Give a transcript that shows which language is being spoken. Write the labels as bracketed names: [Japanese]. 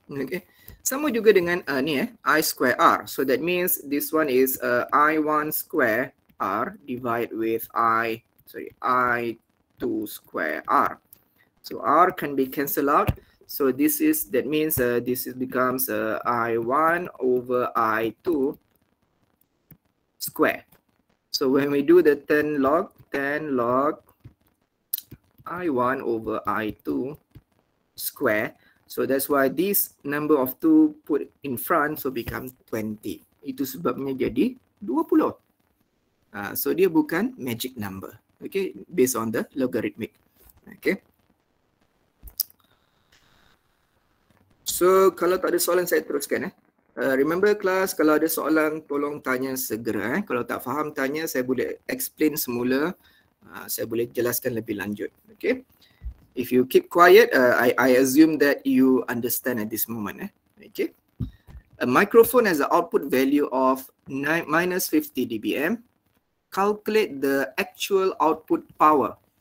[Malay] Okay, sama juga dengan ni I square R. [English] So that means this one is I1 square R divide with I2 square R. So R can be cancelled out. So this is, that means this is becomes I1 over I2 square. So when we do the 10 log I1 over I2 square. So that's why this number of 2 put in front, so become 20. [Malay] Itu sebabnya jadi 20. [English] So [Malay] dia bukan [English] magic number. Okay, based on the logarithmic. Okay. [Malay] So kalau tak ada soalan, saya teruskan. [English] Remember class, [Malay] kalau ada soalan, tolong tanya segera. Kalau tak faham, tanya. Saya boleh explain semula. Saya boleh jelaskan lebih lanjut. [English] Okay, if you keep quiet, I assume that you understand at this moment. Okay, a microphone has an output value of minus 50 dBm. Calculate the actual output power.